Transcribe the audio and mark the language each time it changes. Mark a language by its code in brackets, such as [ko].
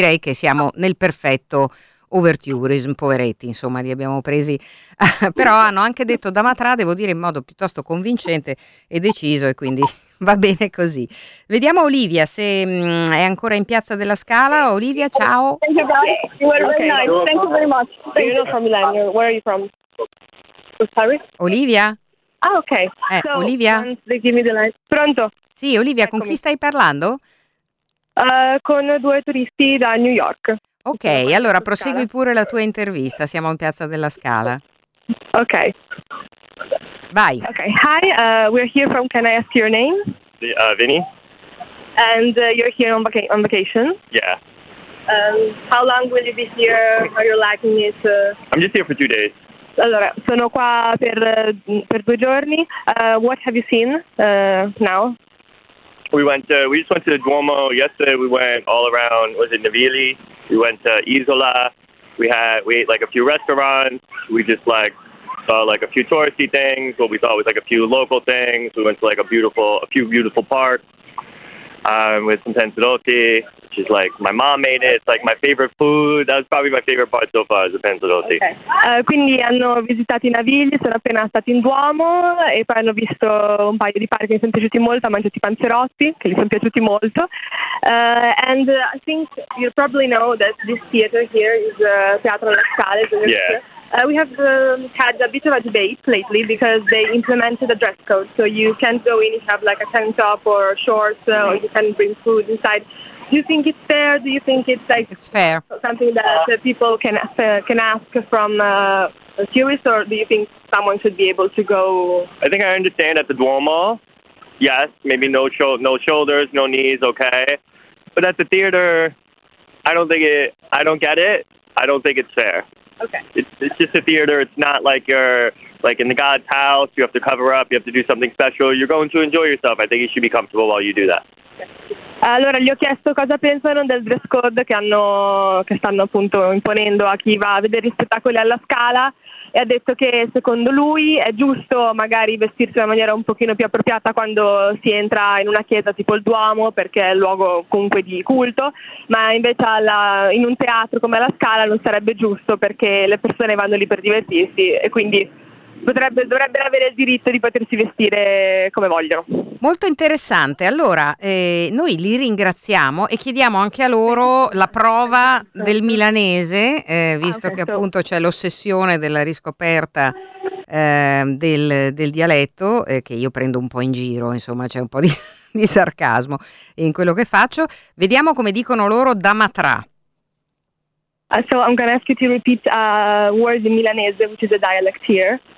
[it] Direi che siamo nel perfetto overtourism, poveretti, insomma, li abbiamo presi, però hanno anche detto da Matra, devo dire, in modo piuttosto convincente e deciso, e quindi va bene così. Vediamo Olivia se è ancora in Piazza della Scala. Olivia, ciao. [en] Thank you guys, you were very nice, thank you very much. Thank you. You're from Milan, where are you from? Sorry? Olivia? Ah, ok. So, Olivia? They give me the line. Pronto? [it] Sì, Olivia, eccomi. Con chi stai parlando? Con due turisti da New York. Ok, allora prosegui pure la tua intervista, siamo in Piazza della Scala. Ok. Vai. [en] Okay. Hi, we're here from, can I ask your name? Vinny. And you're here on vacation? Yeah. How long will you be here? Are you liking it? I'm just here for 2 days. [it] Allora, sono qua per 2 giorni. [en] What have you seen now? We just went to the Duomo yesterday. We went all around, was it Navili? We went to Isola. We ate like a few restaurants. We just like saw like a few touristy things. What we thought was like a few local things. We went to like a few beautiful parks. With some panzerotti, which is like my mom made it. It's like my favorite food. That was probably my favorite part so far is the panzerotti. Okay. [it] Quindi hanno visitato i Navigli, sono appena stati in Duomo e poi hanno visto un paio di parchi che mi sono piaciuti molto, hanno mangiato i panzerotti, che gli sono piaciuti molto. [en] And I think you probably know that this theater here is Teatro La Scala. Yeah. We have had a bit of a debate lately because they implemented a dress code, so you can't go in and have like a tank top or shorts, or you can bring food inside. Do you think it's fair? Do you think it's like it's fair? Something that people can ask from a tourist, or do you think someone should be able to go? I think I understand at the Duomo, yes, maybe no shoulders, no knees, okay. But at the theater, I don't get it. I don't think it's fair. Okay. It's just a theater. It's not like you're like in the God's house. You have to cover up. You have to do something special. You're going to enjoy yourself. I think you should be comfortable while you do that. [it] Allora, gli ho chiesto cosa pensano del dress code che stanno appunto imponendo a chi va a vedere i spettacoli alla Scala. E ha detto che secondo lui è giusto magari vestirsi in una maniera un pochino più appropriata quando si entra in una chiesa tipo il Duomo, perché è il luogo comunque di culto, ma invece in un teatro come la Scala non sarebbe giusto, perché le persone vanno lì per divertirsi e quindi dovrebbero avere il diritto di potersi vestire come vogliono. Molto interessante. Allora, noi li ringraziamo e chiediamo anche a loro la prova del milanese, visto che appunto c'è l'ossessione della riscoperta del dialetto, che io prendo un po' in giro, insomma, c'è un po' di sarcasmo in quello che faccio. Vediamo come dicono loro da Matrà. [en] So I'm going to ask you to repeat a word in milanese, which is a dialect here.